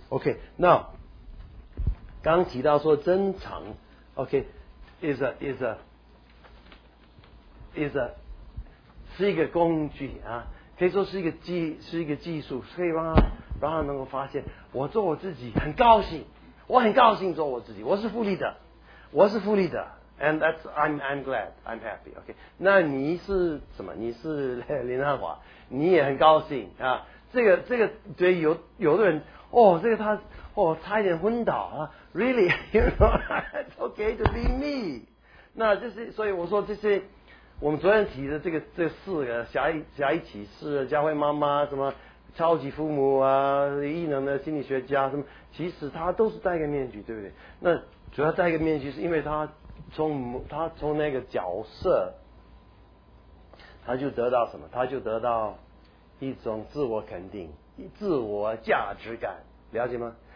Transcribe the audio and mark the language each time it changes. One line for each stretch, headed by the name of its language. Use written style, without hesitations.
English: OK， now
Chinese: 刚提到说真诚 ，
English: OK is a
Chinese: 是一个工具啊，可以说是一个技术，可以让他能够发现我做我自己很高兴，我很高兴做我自己，我是富利的。
English: And that's I'm glad I'm happy.
Chinese: OK， 那你是什么？你是林汉华，你也很高兴啊。这个对有的人哦，这个他哦差一点昏倒啊。
English: Really, you know, it's okay to be me.
Chinese: 那就是所以我说这些，我们昨天提的这四个加一起是教会妈妈，什么超级父母啊，异能的心理学家什么，其实他都是戴个面具，对不对？那主要戴个面具是因为他从那个角色，他就得到什么？他就得到一种自我肯定，自我价值感，了解吗？